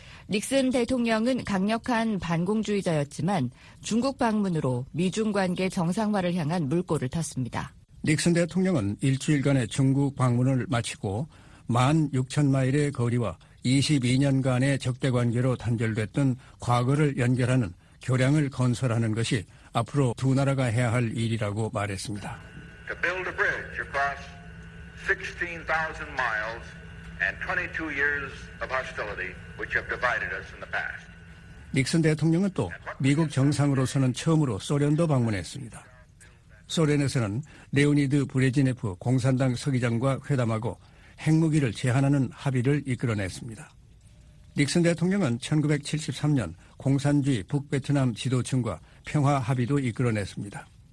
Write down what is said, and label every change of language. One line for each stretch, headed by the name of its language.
Korean: 닉슨 대통령은 강력한 반공주의자였지만 중국 방문으로 미중 관계 정상화를 향한 물꼬를 텄습니다. 닉슨 대통령은 일주일간의 중국 방문을 마치고 16,000마일의 거리와 22년간의 적대관계로 단절됐던 과거를 연결하는 교량을 건설하는 것이 앞으로 두 나라가 해야 할 일이라고 말했습니다.
English: To build a bridge across 16,000 miles and 22 years of hostility which have divided us in the past.
Korean: 닉슨 대통령은 또 미국 정상으로서는 처음으로 소련도 방문했습니다. 소련에서는 레오니드 브레지네프 공산당 서기장과 회담하고 핵무기를 제한하는 합의를 이끌어냈습니다. 닉슨 대통령은 1973년 공산주의 북베트남 지도층과 평화 합의도 이끌어냈습니다.